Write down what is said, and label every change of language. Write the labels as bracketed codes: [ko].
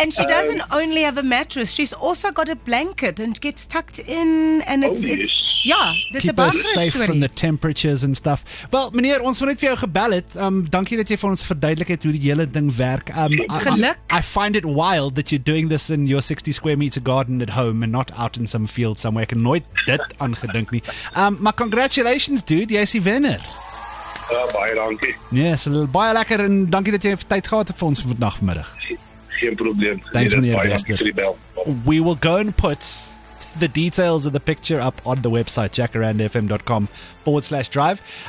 [en] And she doesn't only have a mattress, she's also got a blanket, and gets tucked in, and it's Ja, keep us safe from the temperatures and stuff. [af] Wel, meneer, ons wil net vir jou gebel het. Dankie dat jy vir ons verduidelik het hoe die hele ding werk. Geluk. [en] I find it wild that you're doing this in your 60 square meter garden at home and not out in some field somewhere. [af] Ek het nooit dit aan gedink nie. Maar [en] congratulations, dude. [af] Jy is die winner. Baie dankie. Yes, baie lekker en dankie dat jy tyd gehad het vir ons vanmiddag. Geen probleem. [en] Thanks, meneer Bester. We will go and put the details of the picture up on the website jacarandafm.com/drive.